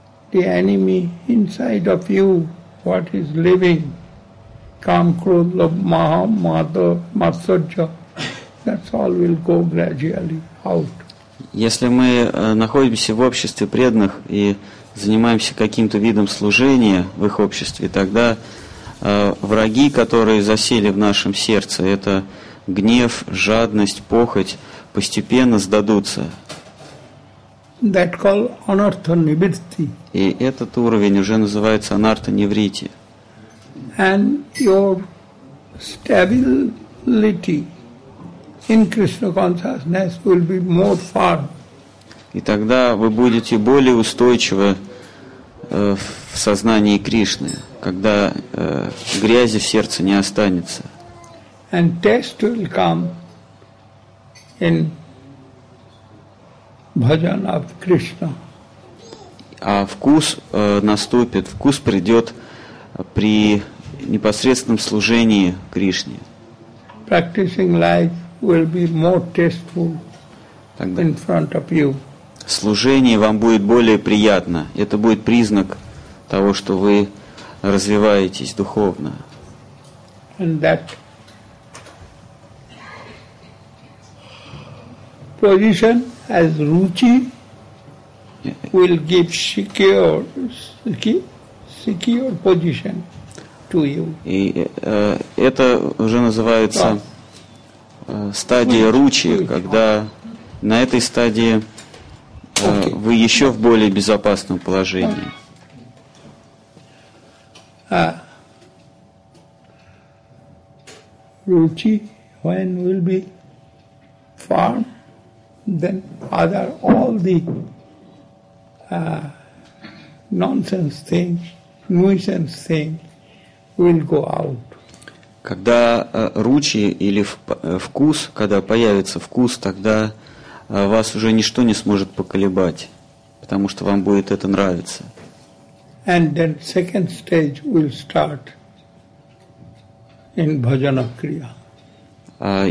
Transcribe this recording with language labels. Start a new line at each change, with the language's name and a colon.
English: the enemy inside of you, what is living, Kamkrodha Maha Mata Matsarya, that's all will go gradually out.
Russian: Если мы находимся в обществе преданных и занимаемся каким-то видом служения в их обществе, тогда враги, которые засели в нашем сердце, это гнев, жадность, похоть, постепенно сдадутся.
English: That call anartha nivritti.
Russian: И этот уровень уже называется анартха нивритти.
English: And your stability in Krishna consciousness will be more firm.
Russian: И тогда вы будете более устойчивы в сознании Кришны, когда грязи в сердце не останется.
English: And test will come in bhajan of Krishna.
Russian: А вкус наступит, вкус придет при непосредственном служении Кришне.
English: Practicing life will be more tasteful in front of you.
Russian: Служение вам будет более приятно. Это будет признак того, что вы развиваетесь духовно.
English: And that position as ruchi will give secure position to you.
Russian: И это уже называется стадия ручи, когда на этой стадии вы еще в более безопасном положении.
English: Ruchi when will be firm, then other all the nonsense things, nuisance things will go out.
Russian: Когда ручи или вкус, когда появится вкус, тогда вас уже ничто не сможет поколебать, потому что вам будет это нравиться.
English: And then second stage will start in bhajana kriya.